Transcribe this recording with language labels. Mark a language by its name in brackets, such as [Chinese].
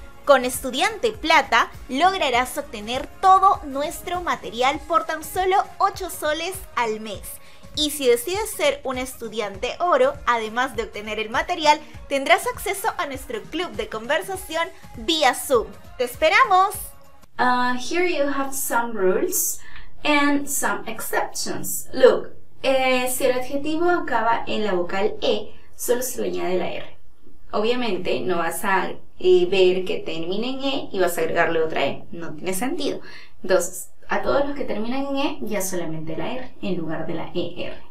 [Spanish] Con Estudiante Plata lograrás obtener todo nuestro material por tan solo 8 soles al mes. Y si decides ser un estudiante oro, además de obtener el material, tendrás acceso a nuestro club de conversación vía Zoom. ¡Te esperamos! [English] Here you have some rules and some exceptions. [Spanish] Look, si el adjetivo acaba en la vocal E, solo se le añade la R. Obviamente no vas a ver que termine en E y vas a agregarle otra E. No tiene sentido. Entonces, a todos los que terminan en E, ya solamente la R en lugar de la ER.